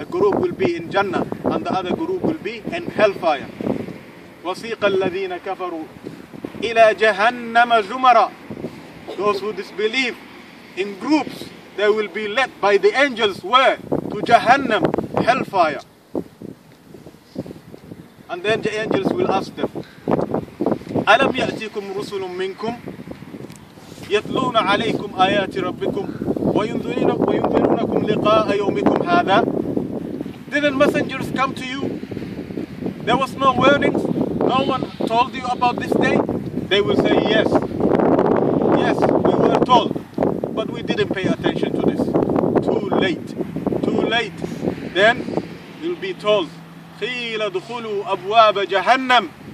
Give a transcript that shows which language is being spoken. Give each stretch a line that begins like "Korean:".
English: A group will be in Jannah and the other group will be in hellfire.
Arabic: وَسِيقَ الَّذِينَ كَفَرُوا إِلَى جَهَنَّمَ زُمَرًا.
English: Those who disbelieve in groups, they will be led by the angels where? To Jahannam, hellfire. And then the angels will ask them,
Arabic: أَلَمْ يَأْتِكُمْ رُسُلٌ مِّنْكُمْ يَتْلُونَ عَلَيْكُمْ آيَاتِ رَبِّكُمْ وَيُنذِرُونَكُمْ لِقَاءَ يَوْمِكُمْ هَذَا.
English: Didn't messengers come to you? There was no warnings? No one told you about this day? They will say, yes. Yes, we were told. But we didn't pay attention to this. Too late. Too late. Then you'll be told,
Arabic: خِيلَ دُخُلُوا أَبْوَابَ جَهَنَّمْ.